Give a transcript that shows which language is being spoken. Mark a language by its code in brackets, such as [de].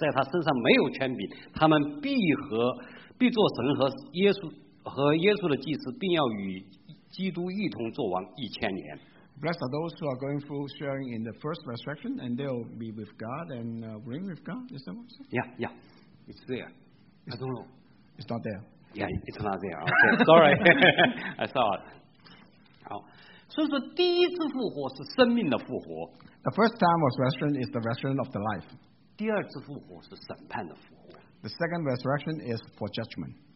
[zh] 好，我再回到这个经文啊。所以说，这个启示录上说了，在头一次复活的有份了，圣洁了；第二次的死，在他身上没有权柄，他们必和。必做神和耶稣和耶稣的祭司，并要与基督一同作王1000年。 [en] Blessed are those who are going through sharing in the first resurrection, and they'll be with God and reign with God. Is that what you said? Yeah, it's there. I don't know. It's not there. Yeah, it's not there. Okay, sorry, I saw it. [zh] 好，所以说第一次复活是生命的复活。 [en] The first time of resurrection is the resurrection of the life. [zh] 第二次复活是审判的复活。 [en] The second resurrection is for judgment.